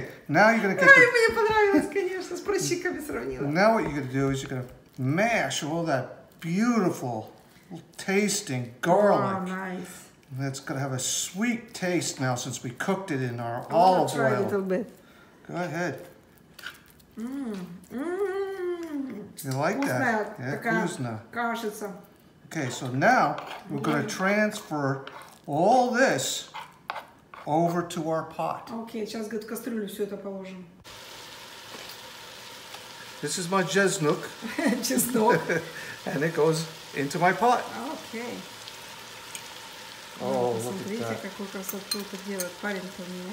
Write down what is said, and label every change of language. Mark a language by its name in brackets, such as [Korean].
[English] Now you're going to get the... [Russian] Мне понравилось, конечно, с прыщиками сравнила. [English] Now what you're going to do is you're going to mash all that beautiful tasting garlic. Oh, nice. And it's going to have a sweet taste now since we cooked it in our olive oil. I'm going to try a little bit. Go ahead. Mmm. You like [Russian] вкусная, [English] that? [Russian] Yeah, такая вкусно. Кажется. [English] Okay, so now we're going to transfer all this over to our pot. [Russian] Okay, сейчас в кастрюлю все это положим. [English] This is my чеснок. [Russian] Чеснок. [English] And it goes into my pot. Okay. Oh, [Russian] смотрите, какую красоту это делает парень там.